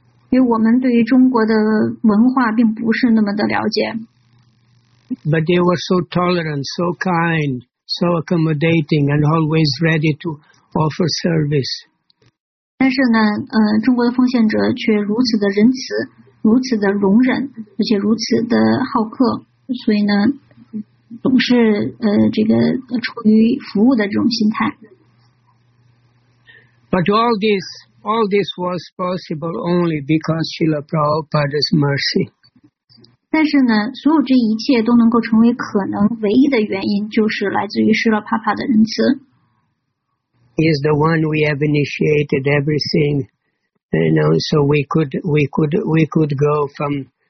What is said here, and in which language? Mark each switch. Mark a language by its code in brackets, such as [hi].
[en] But they were so tolerant, so kind, so accommodating, and always ready to offer service. [zh] 但是呢，中国的奉献者却如此的仁慈，如此的容忍，而且如此的好客，所以呢。总是这个处于服务的这种心态。 [en] But all this was possible only because Srila Prabhupada's mercy. [zh] 但是呢，所有这一切都能够成为可能，唯一的原因就是来自于Srila Prabhupada的仁慈。 [en] He is the one we have initiated everything, and so we could go from